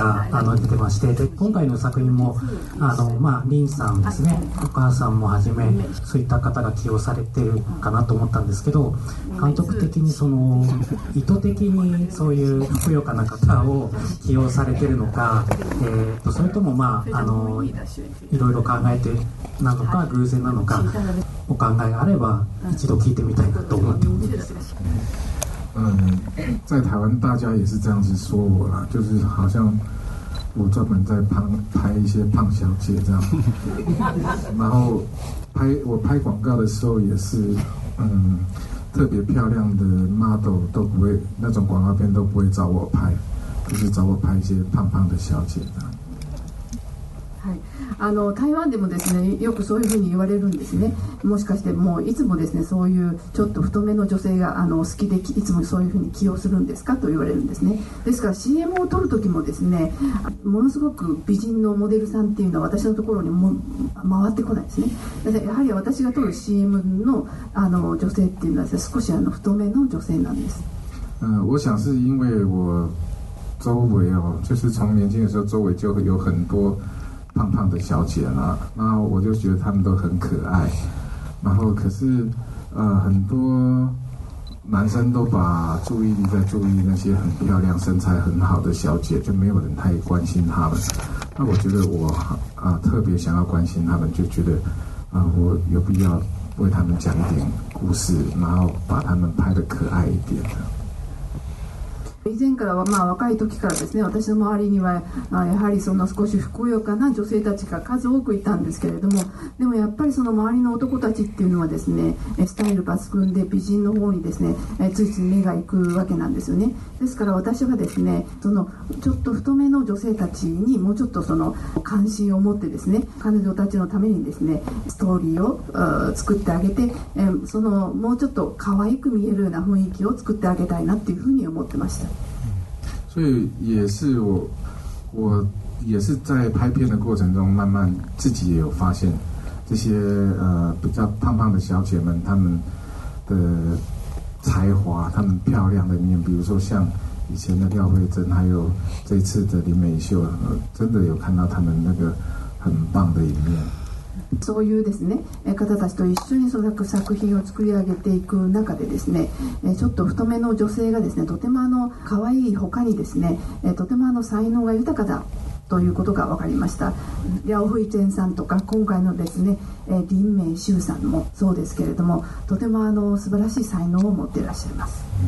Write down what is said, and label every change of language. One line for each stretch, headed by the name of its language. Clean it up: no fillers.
Japanese: あの出てまして、で今回の作品もあの、まあ、リンさんですね、お母さんもはじめそういった方が起用されてるかなと思ったんですけど、監督的にその意図的にそういうふくよかな方を起用されてるのか、それとも、まあ、あのいろいろ考えてなのか偶然なのか、お考えがあれば一度聞いてみたいなと思ってます。
Chinese: 在台湾大家也是这样子说我啦，就是好像我专门在拍一些胖小姐这样。然后我拍广告的时候也是，特别漂亮的 model 都不会，那种广告片都不会找我拍，就是找我拍一些胖胖的小姐这样。
Japanese: あの台湾でもですね、よくそういうふうに言われるんですね。もしかしてもういつもですね、そういうちょっと太めの女性があの好きでいつもそういうふうに起用するんですかと言われるんですね。ですから CM を撮る時もですね、ものすごく美人のモデルさんっていうのは私のところにも回ってこないですね。でやはり私が撮る CM の、 あの女性っていうのは少しあの太めの女性なんです。
Chinese: 我想是因为我周围啊，就是从年轻的时候周围就有很多胖胖的小姐啦，那我就觉得他们都很可爱，然后可是很多男生都把注意力在注意那些很漂亮身材很好的小姐，就没有人太关心他们，那我觉得我特别想要关心他们，就觉得我有必要为他们讲一点故事，然后把他们拍得可爱一点的。
Japanese: 以前からは、まあ、若い時からですね、私の周りには、まあ、やはりその少しふくよかな女性たちが数多くいたんですけれども、でもやっぱりその周りの男たちっていうのはですね、スタイル抜群で美人の方にですね、ついつい目が行くわけなんですよね。ですから私はですね、そのちょっと太めの女性たちにもうちょっとその関心を持ってですね、彼女たちのためにですね、ストーリーを作ってあげて、そのもうちょっと可愛く見えるような雰囲気を作ってあげたいなっていうふうに思ってました。
Chinese: 所以也是我也是在拍片的过程中慢慢自己也有发现这些比较胖胖的小姐们，她们的才华，她们漂亮的面，比如说像以前的廖慧珍，还有这次的林美秀，真的有看到她们那个很棒的一面。
Japanese: そういうですね、方たちと一緒にその作品を作り上げていく中でですね、ちょっと太めの女性がですね、とてもあの可愛い他にですね、とてもあの才能が豊かだということが分かりました。リャオフイチェンさんとか今回のですね、林明秀さんもそうですけれども、とてもあの素晴らしい才能を持っていらっしゃいます。